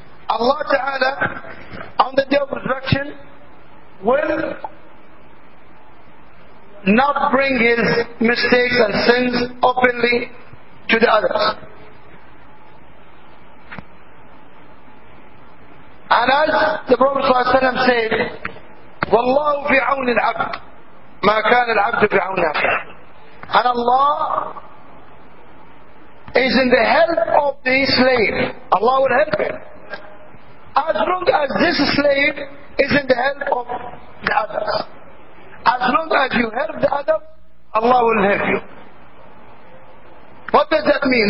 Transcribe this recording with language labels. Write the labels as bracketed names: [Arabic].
[English] Allah Ta'ala, on the day of resurrection, will not bring his mistakes and sins openly to the others. And as the Prophet [Arabic] صلى الله عليه وسلم said, "والله في عون العبد ما كان العبد في عون أخيه." [English] And Allah is in the help of the slave. Allah will help him as long as this slave is in the help of the others. As long as you help the other, Allah will help you. What does that mean?